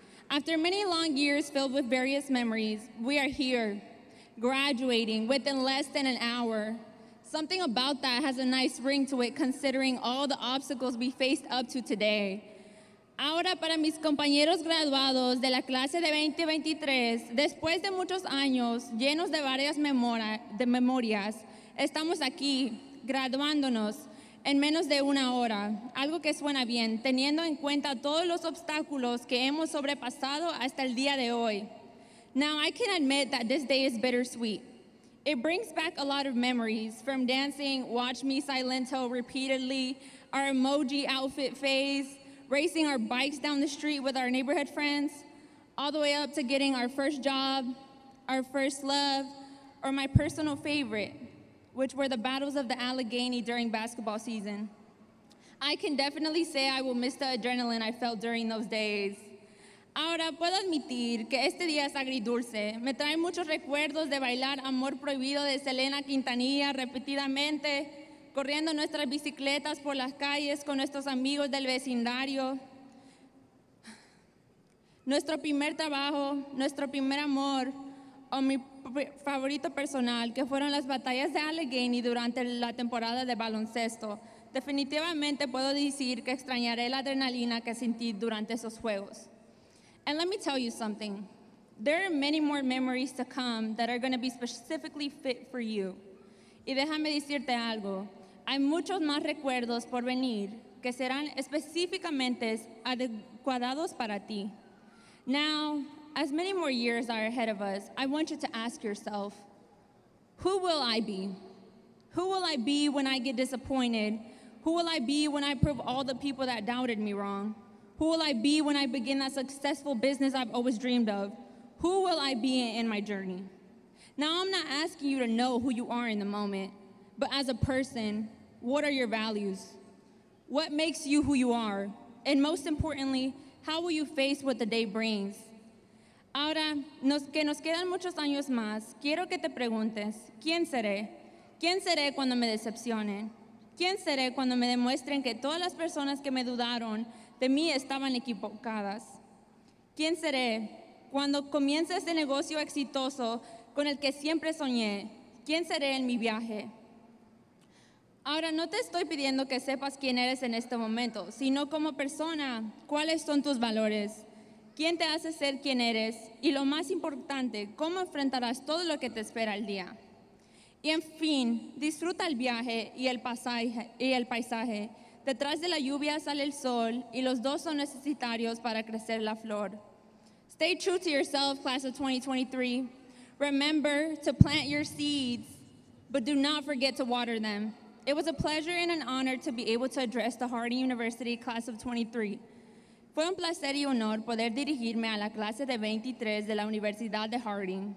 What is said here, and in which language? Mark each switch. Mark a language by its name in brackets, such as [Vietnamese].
[English] After many long years filled with various memories, we are here, graduating within less than an hour. Something about that has a nice ring to it considering all the obstacles we faced up to today. [Spanish] Ahora para mis compañeros graduados de la clase de 2023, después de muchos años llenos de varias memorias, estamos aquí graduándonos en menos de una hora, algo que suena bien, teniendo en cuenta todos los obstáculos que hemos sobrepasado hasta el día de hoy. [English] Now, I can admit that this day is bittersweet. It brings back a lot of memories from dancing Watch Me Silento repeatedly, our emoji outfit phase, racing our bikes down the street with our neighborhood friends, all the way up to getting our first job, our first love, or my personal favorite, which were the battles of the Allegheny during basketball season. I can definitely say I will miss the adrenaline I felt during those days. [Spanish] Ahora puedo admitir que este día es agridulce. Me trae muchos recuerdos de bailar Amor Prohibido de Selena Quintanilla repetidamente, corriendo nuestras bicicletas por las calles con nuestros amigos del vecindario. Nuestro primer trabajo, nuestro primer amor, o mi favorito personal, que fueron las batallas de Allegheny durante la temporada de baloncesto. Definitivamente puedo decir que extrañaré la adrenalina que sentí durante esos juegos. [English] And let me tell you something. There are many more memories to come that are going to be specifically fit for you. [Spanish] Y déjame decirte algo. Hay muchos más recuerdos por venir que serán específicamente adecuados para ti. [English] Now, as many more years are ahead of us, I want you to ask yourself, who will I be? Who will I be when I get disappointed? Who will I be when I prove all the people that doubted me wrong? Who will I be when I begin that successful business I've always dreamed of? Who will I be in my journey? Now, I'm not asking you to know who you are in the moment, but as a person, what are your values? What makes you who you are? And most importantly, how will you face what the day brings? [Spanish] Ahora, que nos quedan muchos años más, quiero que te preguntes, ¿quién seré? ¿Quién seré cuando me decepcionen? ¿Quién seré cuando me demuestren que todas las personas que me dudaron de mí estaban equivocadas? ¿Quién seré cuando comience ese negocio exitoso con el que siempre soñé? quién seré en mi viaje. Ahora, no te estoy pidiendo que sepas quién eres en este momento, sino como persona, cuáles son tus valores, quién te hace ser quien eres, y lo más importante, cómo enfrentarás todo lo que te espera el día. Y en fin, disfruta el viaje y el paisaje. Detrás de la lluvia sale el sol, y los dos son necesarios para crecer la flor. [English] Stay true to yourself, class of 2023. Remember to plant your seeds, but do not forget to water them. It was a pleasure and an honor to be able to address the Hardy University class of 23. [Spanish] Fue un placer y honor poder dirigirme a la clase de 23 de la Universidad de Hardy.